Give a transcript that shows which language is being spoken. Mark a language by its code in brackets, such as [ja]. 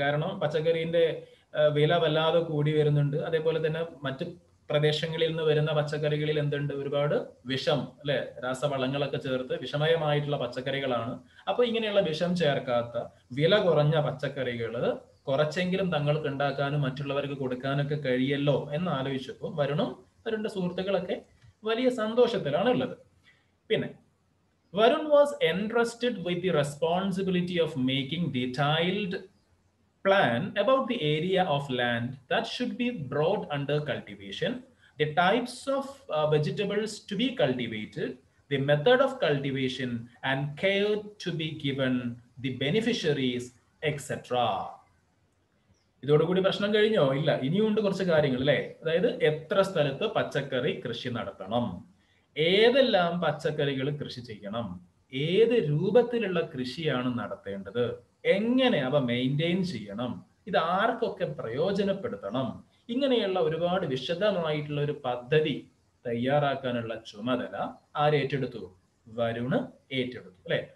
[ml] കാരണം പച്ചക്കറിന്റെ വില വല്ലാതെ കൂടി വരുന്നുണ്ട്, അതേപോലെ തന്നെ മറ്റ് പ്രദേശങ്ങളിൽ നിന്ന് വരുന്ന പച്ചക്കറികളിൽ എന്തുണ്ട്, ഒരുപാട് വിഷം അല്ലെ, രാസവളങ്ങളൊക്കെ ചേർത്ത് വിഷമയമായിട്ടുള്ള പച്ചക്കറികളാണ്. അപ്പൊ ഇങ്ങനെയുള്ള വിഷം ചേർക്കാത്ത വില കുറഞ്ഞ പച്ചക്കറികൾ കുറച്ചെങ്കിലും തങ്ങൾക്ക് ഉണ്ടാക്കാനും മറ്റുള്ളവർക്ക് കൊടുക്കാനൊക്കെ കഴിയല്ലോ എന്ന് ആലോചിച്ചപ്പോൾ വരുണും വരുണ്ട സുഹൃത്തുക്കളൊക്കെ വലിയ സന്തോഷത്തിലാണ് ഉള്ളത്. [en] പിന്നെ Varun was entrusted with the responsibility of making detailed plan about the area of land that should be brought under cultivation, the types of vegetables to be cultivated, the method of cultivation and care to be given the beneficiaries, etc. [ml] ഇതോട് കൂടി പ്രശ്നം കഴിഞ്ഞോ? ഇല്ല, ഇനിയുണ്ട് കുറച്ച് കാര്യങ്ങൾ അല്ലെ. അതായത് എത്ര സ്ഥലത്ത് പച്ചക്കറി കൃഷി നടത്തണം, ഏതെല്ലാം പച്ചക്കറികൾ കൃഷി ചെയ്യണം, ഏത് രൂപത്തിലുള്ള കൃഷിയാണ് നടത്തേണ്ടത്, എങ്ങനെ അവ മെയിൻറ്റെയിൻ ചെയ്യണം, ഇത് ആർക്കൊക്കെ പ്രയോജനപ്പെടുത്തണം, ഇങ്ങനെയുള്ള ഒരുപാട് വിശദമായിട്ടുള്ള ഒരു പദ്ധതി തയ്യാറാക്കാനുള്ള ചുമതല ആരേറ്റെടുത്തു, വരുണ് ഏറ്റെടുത്തു അല്ലെ.